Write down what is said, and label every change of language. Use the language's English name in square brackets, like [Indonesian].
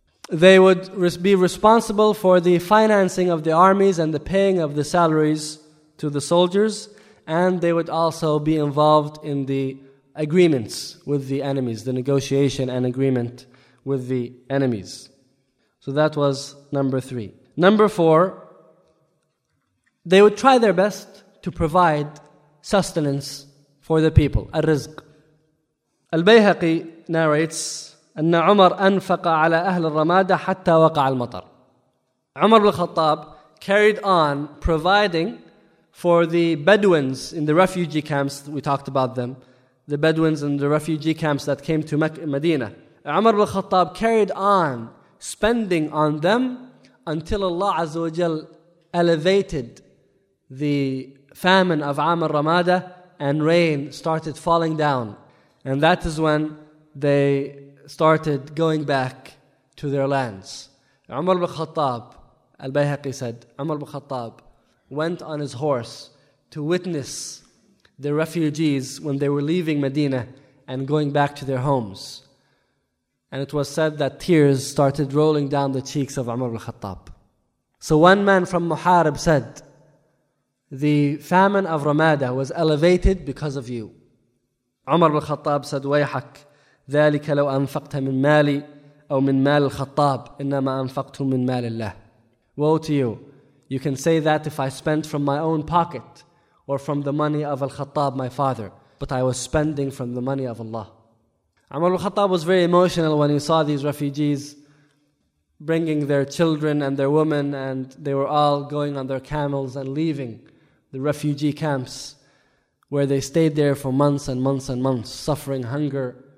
[English] They would be responsible for the financing of the armies and the paying of the salaries to the soldiers, and they would also be involved in the agreements with the enemies, the negotiation and agreement with the enemies. So that was number three. Number four, they would try their best to provide sustenance for the people, al-rizq. Al-Bayhaqi narrates, [Arabic] أن عمر أنفق على أهل الرمادة حتى وقع المطر. [English] عمر بن الخطاب carried on providing for the Bedouins in the refugee camps. We talked about them, the Bedouins in the refugee camps that came to Medina. عمر بن الخطاب carried on spending on them until Allah عز وجل elevated the famine of عام الرمادة and rain started falling down, and that is when they started going back to their lands. Umar ibn Khattab, al-Bayhaqi said, Umar ibn Khattab went on his horse to witness the refugees when they were leaving Medina and going back to their homes. And it was said that tears started rolling down the cheeks of Umar ibn Khattab. So one man from Muharib said, the famine of Ramada was elevated because of you. Umar ibn Khattab said, [Arabic] wayhak, ذلك لو أنفقت من مالي أو من مال الخطاب إنما أنفقت من مال الله. [English] Woe to you. You can say that if I spent from my own pocket or from the money of Al-Khattab, my father, but I was spending from the money of Allah. Umar al-Khattab was very emotional when he saw these refugees bringing their children and their women, and they were all going on their camels and leaving the refugee camps where they stayed there for months and months and months, suffering hunger.